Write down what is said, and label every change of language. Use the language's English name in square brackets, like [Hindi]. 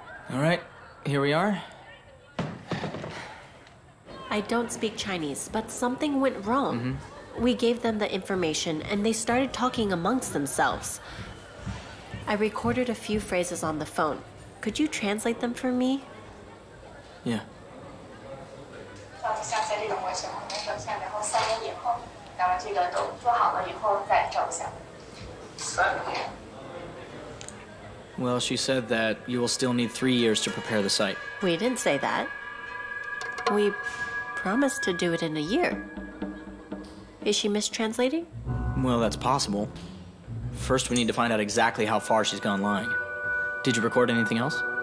[English] All right. Here we are. I don't speak Chinese, but something went wrong. Mm-hmm. We gave them the information, and they started talking amongst themselves. I recorded a few phrases on the phone. Could you translate them for me? Yeah. [Chinese] 像在这种模型，我们说像，然后三年以后，然后这个都做好了以后再照相。三年。 [English] Well, she said that you will still need 3 years to prepare the site. We didn't say that. We promised to do it in a year. Is she mistranslating? Well, that's possible. First, we need to find out exactly how far she's gone lying. Did you record anything else?